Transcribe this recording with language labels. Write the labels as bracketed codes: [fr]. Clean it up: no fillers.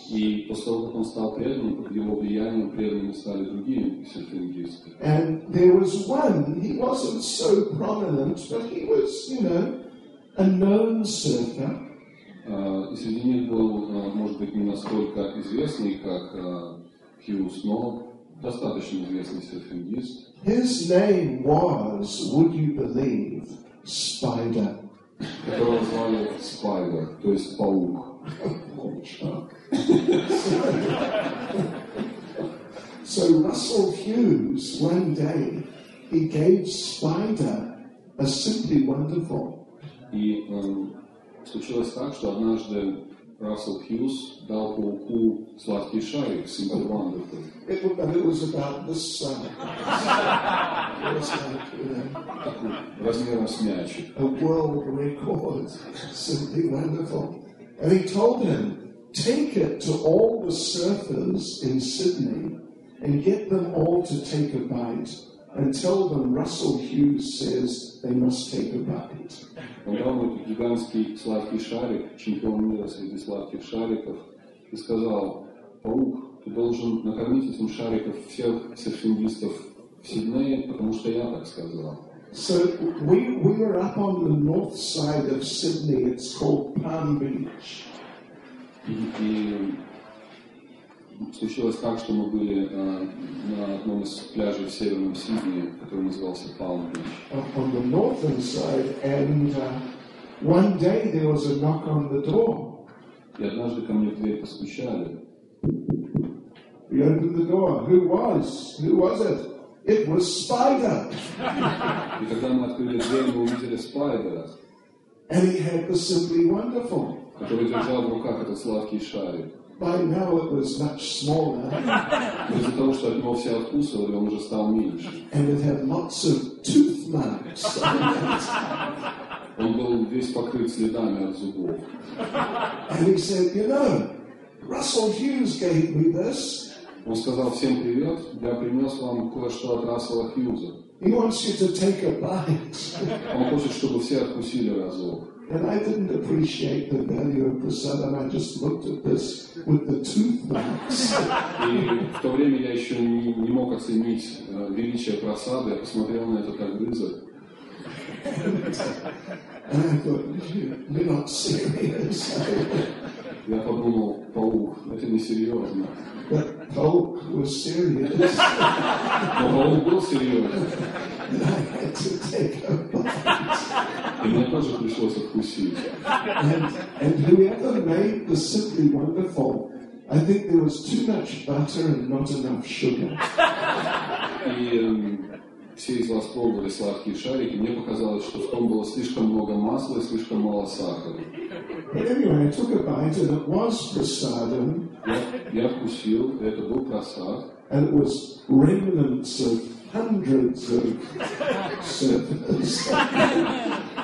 [ru] И после того, как он стал преданным, под его влиянием преданными стали другие серфингисты. [en] And there was one, he wasn't so prominent, but he was, you know, a known surfer. [ru] И среди них был, может быть, не настолько известный, как Хьюз, но достаточно известный серфингист. [en] His name was, would you believe, Spider. [ru] Которого звали Spider, то есть паук. [en] So Russell Hughes one day he gave Spider a simply wonderful. [ru] И случилось так, что однажды Russell Hughes дал пауку сладкий шарик, simply wonderful. [en] It was about this size. It was like, [ru] размером с мячик. [en] A world record, simply wonderful. And he told him, take it to all the surfers in Sydney and get them all to take a bite and tell them Russell Hughes says they must take a bite. [ru] Он дал ему гигантский сладкий шарик, чемпион мира среди сладких шариков, и сказал, паук, ты должен накормить этим шариком всех серфингистов в Сиднее, потому что я так сказал. [en] So we were up on the north side of Sydney. It's called Palm Beach. [ru] И случилось так, что мы были на одном из пляжей в северном Сиднее, который назывался Palm Beach. [en] On the northern side, and one day there was a knock on the door. [ru] И однажды ко мне в дверь постучали. [en] We opened the door. Who was? Who was it? It was Spider. [ru] И когда мы открыли дверь, мы увидели Спайдера. [en] And he had the simply wonderful. [ru] Который держал в руках этот сладкий шарик. [en] By now it was much smaller. [ru] Из-за того, что от него все откусывали, он уже стал меньше. [en] And it had lots of tooth marks on it. [ru] Он был весь покрыт следами от зубов. [en] And he said, you know, Russell Hughes gave me this. [ru] Он сказал, всем привет, я принес вам кое-что от Рассела Хьюза. [en] He wants you to take a bite. [ru] Он хочет, чтобы все откусили разок. [en] And I didn't appreciate the value of the sun, and I just looked at this with the tooth marks. [ru] И в то время я еще не мог оценить величие просады, я посмотрел на этот огрызок. [en] And I thought, you're not serious. [ru] Я подумал, паук, это не серьезно. [en] Paul was serious. Paul was serious. And I had to take a bite. [ru] И мне тоже пришлось откусить. [en] And whoever made the simply wonderful, I think there was too much butter and not enough sugar. [ru] И все из вас пробовали сладкие шарики, мне показалось, что в том было слишком много масла и слишком мало сахара. [en] But anyway, I took a bite and it was prasadam. [ru] Я вкусил, это был просад. [en] And it was remnants of hundreds of surfers.